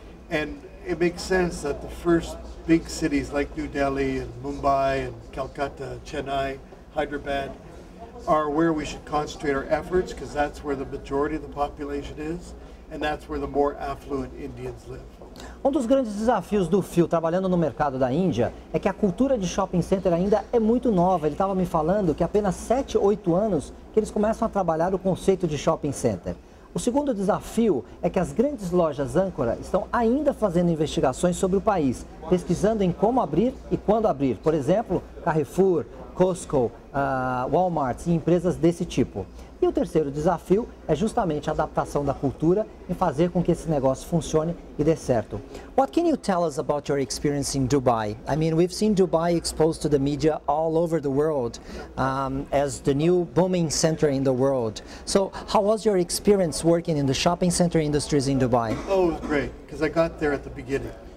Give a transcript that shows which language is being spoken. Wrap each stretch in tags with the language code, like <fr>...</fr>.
<en>And it makes sense that the first big cities like New Delhi and Mumbai and Calcutta, Chennai, Hyderabad, are where we should concentrate our efforts because that's where the majority of the population is and that's where the more affluent Indians live.</en> <pt>Um dos grandes desafios do Phil trabalhando no mercado da Índia é que a cultura de shopping center ainda é muito nova. Ele estava me falando que apenas 7, 8 anos que eles começam a trabalhar o conceito de shopping center. O segundo desafio é que as grandes lojas âncora estão ainda fazendo investigações sobre o país, pesquisando em como abrir e quando abrir. Por exemplo, Carrefour, Costco, Walmart e empresas desse tipo. E o terceiro desafio é justamente a adaptação da cultura e fazer com que esse negócio funcione e dê certo.</pt> <en>What can you tell us about your experience in Dubai? I mean, we've seen Dubai exposed to the media all over the world as the new booming center in the world. So, how was your experience working in the shopping center industries in Dubai? Oh, it was great, because I got there at the beginning.</en>